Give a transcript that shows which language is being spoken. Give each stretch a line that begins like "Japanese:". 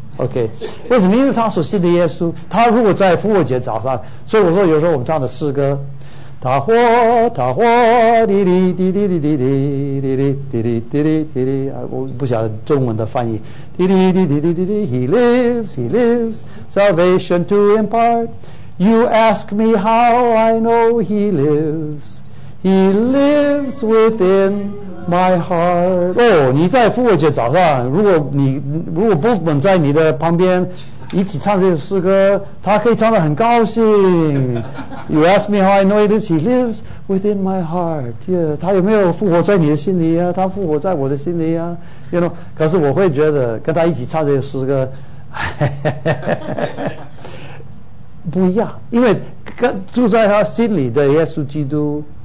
Chinese: OK， 为什么？因为他所信的耶稣，他如果在复活节早上，所以我说有时候我们唱的诗歌，他活，他活，滴滴滴滴滴滴滴滴滴滴滴滴滴滴滴，我不晓得中文的翻译，滴滴滴滴滴滴滴 ，
English: He lives, He lives, salvation to impart. You ask me how I know He lives. He lives within. My heart。
Chinese: 哦，你在复活节早上，如果布本在你的旁边，一起唱这首诗歌，他可以唱得很高兴。
English: You ask me how I know he lives, he lives within my heart. Yeah,
Chinese: 他有没有复活在你的心里啊？他复活在我的心里啊。
English: You know,
Chinese: 可是我会觉得跟他一起唱这首诗歌，不一样，因为住在他心里的耶稣基督。